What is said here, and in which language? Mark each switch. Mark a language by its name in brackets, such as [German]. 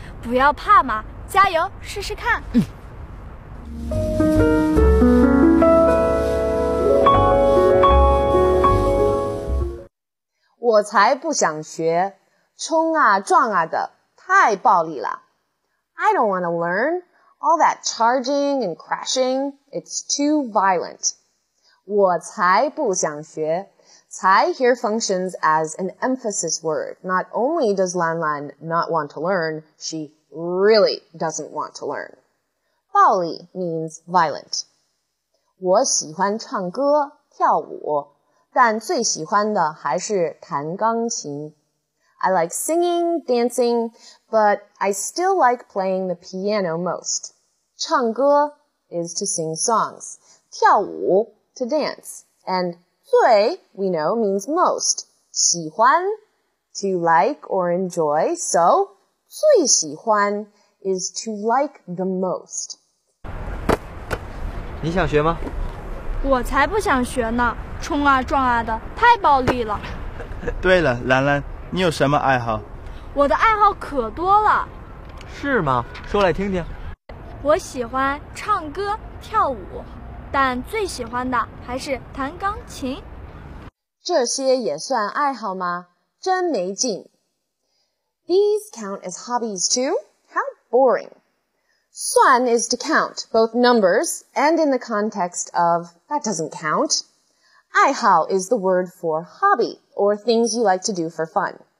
[Chinese] 不要怕嘛，加油，试试看。我才不想学，冲啊撞啊的，太暴力了。 [English] I don't want to learn. All that charging and crashing, it's too violent. [Chinese] 我才不想学。 [English] 才here functions as an emphasis word. Not only does Lan Lan not want to learn, she really doesn't want to learn. 暴力 means violent. [Chinese] 我喜欢唱歌、跳舞,但最喜欢的还是弹钢琴。 [English] I like singing, dancing, but I still like playing the piano most. 唱歌 is to sing songs, 跳舞 to dance, and 最 we know means most, 喜欢 to like or enjoy, so 最喜欢 is to like the most. [Chinese] 你想学吗？我才不想学呢，冲啊撞啊的，太暴力了。对了，兰兰。你有什么爱好？我的爱好可多了。是吗？说来听听。我喜欢唱歌、跳舞，但最喜欢的还是弹钢琴。这些也算爱好吗？真没劲。 [English] These count as hobbies too? How boring. 算 is to count, both numbers and in the context of that doesn't count. 爱好 is the word for hobby, or things you like to do for fun.